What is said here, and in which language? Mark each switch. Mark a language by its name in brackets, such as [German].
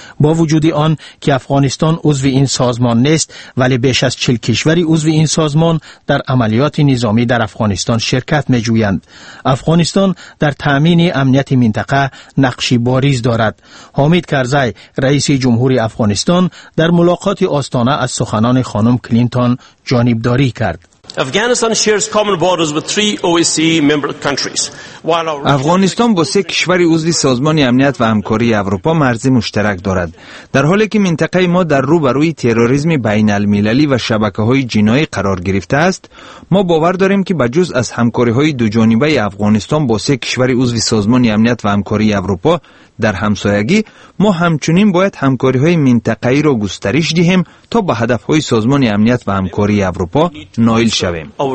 [Persian] با وجود آن که افغانستان عضو این سازمان نیست، ولی بیش از 40 کشور عضو این سازمان در عملیات نظامی در افغانستان شرکت می جویند. افغانستان در تامین امنیت منطقه نقشی باریز دارد. حامد کرزی رئیس جمهور افغانستان در ملاقات آستانه از سخنان خانم کلینتون جانبداری کرد. [English] Afghanistan shares common borders with 3 OSCE member countries. [Persian] افغانستان با 3 کشور عضو سازمان امنیت و همکاری اروپا مرز مشترک دارد. در حالی که منطقه ما در روبروی تروریسم بین المللی و شبکه‌های جنایی قرار گرفته است، ما باور داریم که بجز از همکاری‌های دو جانبه افغانستان با 3 کشور عضو سازمان امنیت و همکاری اروپا در همسایگی، ما همچنین باید همکاری‌های منطقه‌ای را گسترش دهیم تا به هدف‌های سازمان امنیت و همکاری اروپا نائل شویم.